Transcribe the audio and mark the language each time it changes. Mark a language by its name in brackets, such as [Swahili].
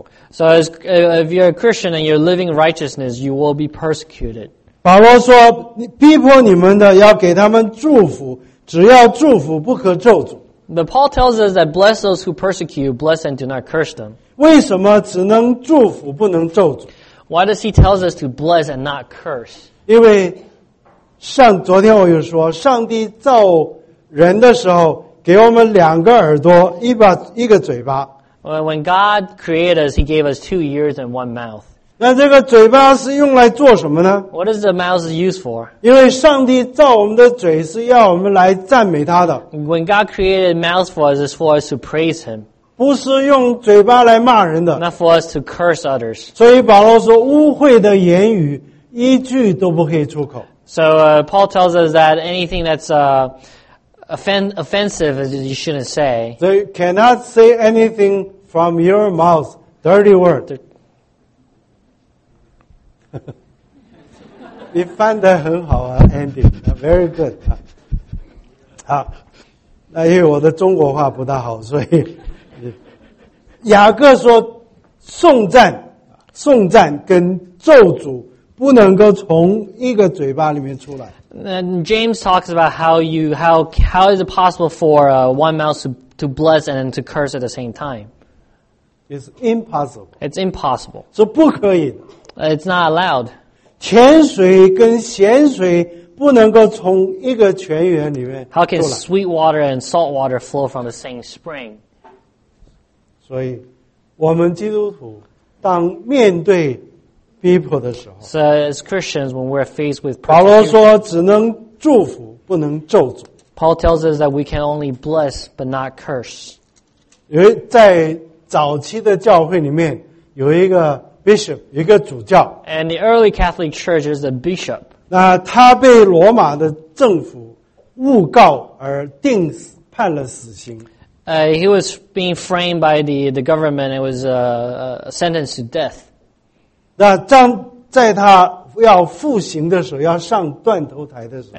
[English] So as, if you're a Christian and you're living righteousness, you will be persecuted. [Chinese] 保罗说，逼迫你们的要给他们祝福，只要祝福，不可咒诅。 [English] The Paul tells us that bless those who persecute you, bless and do not curse them. [Chinese] 为什么只能祝福，不能咒诅？ [English] Why does he tell us to bless and not curse? [Chinese] 因为上昨天我就说，上帝造人的时候，给我们两个耳朵，一个嘴巴。 [English] When God created us, He gave us 2 ears and 1 mouth. [Chinese] 那这个嘴巴是用来做什么呢？ [English] What is the mouth used for? [Chinese] 因为上帝造我们的嘴是要我们来赞美他的。 [English] When God created mouth for us, it's for us to praise Him. [Chinese] 不是用嘴巴来骂人的。 [English] Not for us to curse others. [Chinese] 所以保罗说，污秽的言语一句都不可以出口。 [English] So, Paul tells us that anything that's, offensive, as you shouldn't say. So you cannot say anything from your mouth. Dirty word. [Chinese] 你翻得很好啊 ，Andy. [English] Very good. [Chinese] 好，那因为我的中国话不大好，所以雅各说，颂赞跟咒诅不能够从一个嘴巴里面出来。 [English] And James talks about how is it possible for one mouth to bless and to curse at the same time. It's impossible. It's impossible. [Chinese] 是不可以的。 [English] It's not allowed. [Chinese] 甜水跟咸水不能够从一个泉源里面。 [English] How can sweet water and salt water flow from the same spring? [Chinese] 所以我们基督徒当面对逼迫的时候， [English] so as Christians, when we're faced with persecution, [Chinese] 保罗说只能祝福，不能咒诅。 [English] Paul tells us that we can only bless but not curse. [Chinese] 因为在早期的教会里面有一个 bishop， 一个主教。 [English] And the early Catholic Church is a bishop. [Chinese] 那他被罗马的政府诬告而判了死刑。 [English] He was being framed by the government. It was a sentence to death. [Chinese] 那在他要服刑的时候，要上断头台的时候，